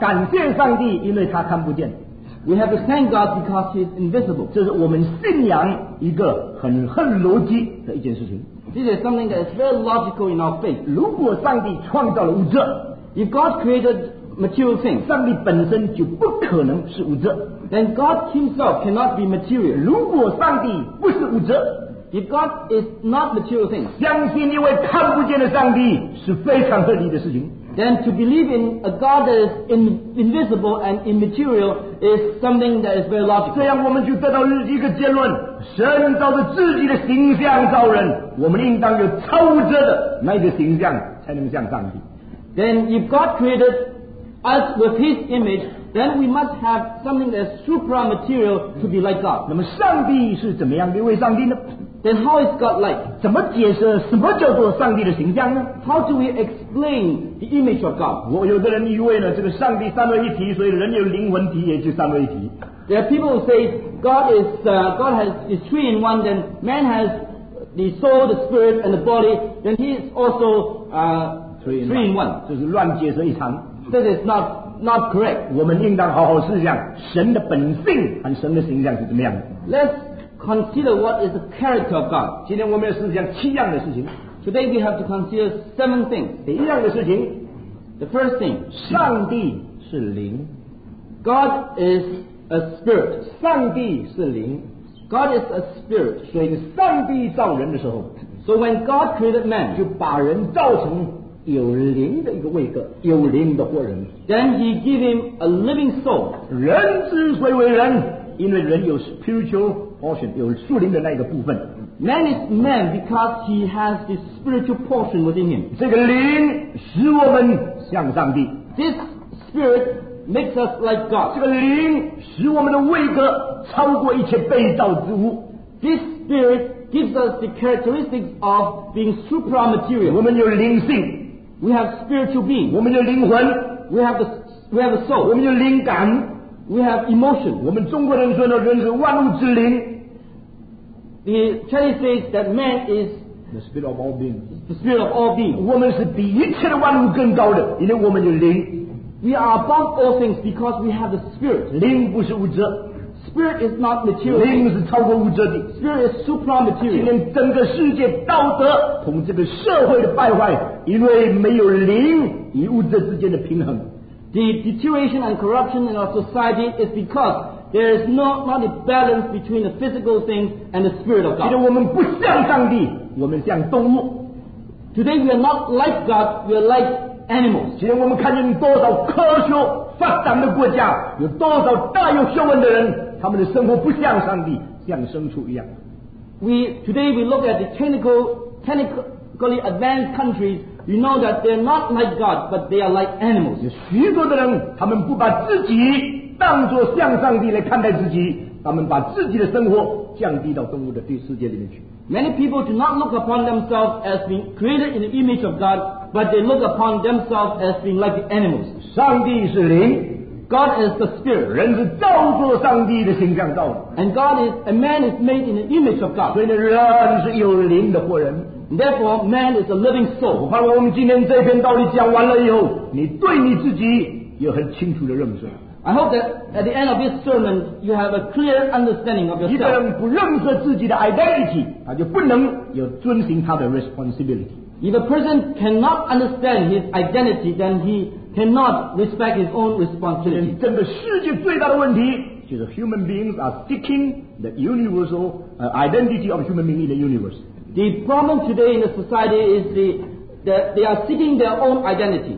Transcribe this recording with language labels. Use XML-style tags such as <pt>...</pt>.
<zh>感谢上帝，因为他看不见。</zh> <en>We have to thank God because He is invisible.</en> <zh>这是我们信仰一个很恨逻辑的一件事情。</zh> <en>This is something that is very logical in our faith.</en> <zh>如果上帝创造了物质，</zh> <en>If God created material things,</en> <zh>上帝本身就不可能是物质。</zh> <en>Then God Himself cannot be material.</en> <zh>如果上帝不是物质，</zh> <en>if God is not material things,</en> <zh>相信一位看不见的上帝是非常合理的事情。</zh> <en>Then to believe in a God that is invisible and immaterial is something that is very logical.</en> <zh>这样我们就得到一个结论：神照着自己的形象造人，我们应当有超物质的那个形象，才能像上帝。</zh> <en>Then if God created us with His image. Then we must have something that is supra-material to be like God.</en> <zh>那么上帝是怎么样的一位上帝呢？</zh> <en>Then how is God like?</en> <zh>怎么解释什么叫做上帝的形象呢？</zh> <en>How do we explain the image of God?</en> <zh>我有的人以为呢，这个上帝三位一体，所以人有灵魂体也就三位一体。</zh> <en>There are people who say God has is three in one, then man has the soul, the spirit, and the body, then he is also three in one.</en> <zh>这是乱解释一场。</zh> <en>That is not correct.</en> <zh>我们应当好好思想神的本性和神的形象是怎么样的。</zh> <en>Let's consider what is the character of God.</en> <zh>今天我们要思想七样的事情。</zh> <en>Today we have to consider seven things.</en> <zh>第一样的事情。</zh> <en>The first thing.</en> <zh>上帝是灵。</zh> <en>God is a spirit.</en> <zh>上帝是灵。</zh> <en>God is a spirit.</en> <zh>所以上帝造人的时候。</zh> <en>So when God created man,</en> <zh>就把人造成有灵的一个位格，有灵的活人。</zh> <en>Then he gave him a living soul.</en> <zh>人之所以为人，因为人有 spiritual portion, 有属灵的那个部分。</zh> <en>Man is man because he has the spiritual portion within him.</en> <zh>这个灵使我们像上帝。</zh> <en>This spirit makes us like God.</en> <zh>这个灵使我们的位格超过一切被造之物。</zh> <en>This spirit gives us the characteristics of being supramaterial.</en> <zh>我们有灵性。</zh> <en>We have spiritual being.</en> <zh>我们有灵魂。</zh> <en>We have a soul.</en> <zh>我们有灵感。</zh> <en>We have emotion.</en> <zh>我们中国人说的人是万物之灵。</zh> <en>The Chinese says that man is the spirit of all beings. The spirit of all beings.</en> <zh>我们是比一切的万物更高的，因为我们有灵。</zh> <en>We are above all things because we have the spirit.</en> <zh>灵不是物质。</zh> <en>Spirit is not material.</en> <zh>灵是超过物质的。</zh> <en>Spirit is supramaterial.</en> <zh>今天整个世界道德同这个社会的败坏，因为没有灵与物质之间的平衡。</zh> <en>The deterioration and corruption in our society is because there is not a balance between the physical things and the spirit of God.</en> <zh>因为我们不像上帝，我们像动物。</zh> <en>Today we are not like God, we are like animals.</en> <zh>今天我们看见多少科学发展的国家，有多少大有学问的人，他们的生活不像上帝，像牲畜一样。</zh> <en>Today we look at the technically advanced countries. You know that they are not like God, but they are like animals.</en> <zh>有许多的人，他们不把自己当作像上帝来看待自己，他们把自己的生活降低到动物的世界里面去。</zh> <en>Many people do not look upon themselves as being created in the image of God, but they look upon themselves as being like the animals.</en> <zh>上帝是灵。</zh> <en>God is the spirit.</en> <zh>人是照着上帝的形象造的。</zh> <en>And a man is made in the image of God.</en> <zh>所以人是有灵的活人。</zh> <en>Therefore, man is a living soul.</en> <zh>我盼望我们今天这篇道理讲完了以后，你对你自己有很清楚的认识。</zh> <en>I hope that at the end of this sermon, you have a clear understanding of yourself.</en> <zh>一个人不认识自己的 identity, 他就不能有遵循他的 responsibility.</zh> <en>If a person cannot understand his identity, then he cannot respect his own responsibility.</en> <zh>整个世界最大的问题就是</zh> <en>human beings are seeking the universal identity of human being in the universe. The problem today in the society is that they are seeking their own identity.</en>